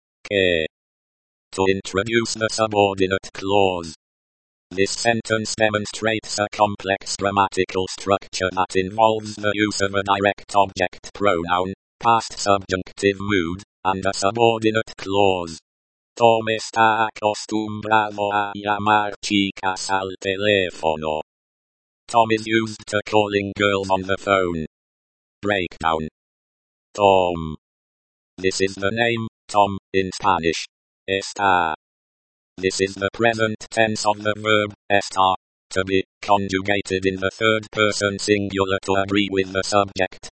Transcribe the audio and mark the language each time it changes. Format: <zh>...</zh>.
<es>Que.</es> <en>To introduce the subordinate clause. This sentence demonstrates a complex grammatical structure that involves the use of a direct object pronoun, past subjunctive mood, and a subordinate clause.</en> <es>Tom está acostumbrado a llamar chicas al teléfono.</es> <en>Tom is used to calling girls on the phone. Breakdown. Tom. This is the name, Tom, in Spanish.</en> <es>Está.</es> <en>This is the present tense of the verb, estar, to be, conjugated in the third person singular to agree with the subject,</en>